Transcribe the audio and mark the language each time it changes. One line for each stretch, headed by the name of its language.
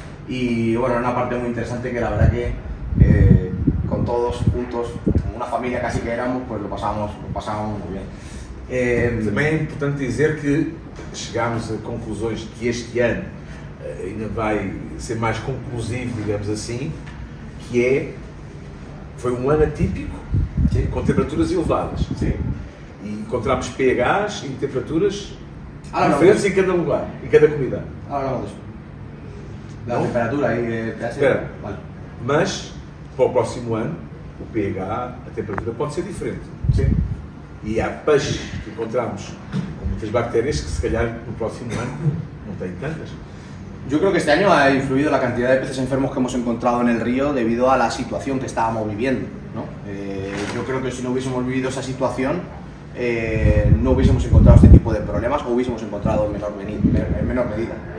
Spanish: Y bueno, era una parte muy interesante que la verdad que con todos juntos, como una familia casi que éramos, pues lo pasábamos muy bien. También es importante decir que llegamos a conclusiones que este año ainda va a ser más conclusivo, digamos así, que es, fue un año atípico.
Portuguese: Sim. Com temperaturas elevadas. Sim. E encontramos pHs em temperaturas diferentes em cada lugar, em cada comida. Da temperatura aí pode ser. Espera. Vale. Mas, para o próximo ano, o pH, a temperatura pode ser diferente. Sim. E há peixes que encontramos com muitas bactérias que se calhar no próximo ano não tem tantas.
Spanish: Yo creo que este año ha influido la cantidad de peces enfermos que hemos encontrado en el río debido a la situación que estábamos viviendo, ¿no? Yo creo que si no hubiésemos vivido esa situación, no hubiésemos encontrado este tipo de problemas o hubiésemos encontrado en menor medida.